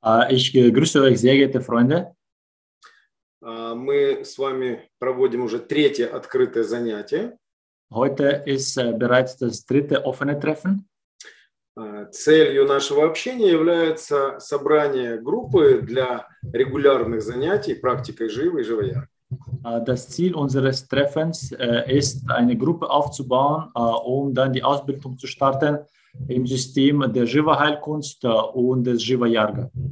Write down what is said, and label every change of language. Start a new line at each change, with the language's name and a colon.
German: Ich grüße euch sehr geehrte Freunde.
Russian: Мы с вами проводим уже третье открытое занятие.
German: Heute ist bereits das dritte offene Treffen.
Russian: Целью нашего общения является собрание группы для регулярных занятий практикой живой живояр.
German: Das Ziel unseres Treffens ist, eine Gruppe aufzubauen, um dann die Ausbildung zu starten im System der Jiva-Heilkunst und des Jiva-Yarga.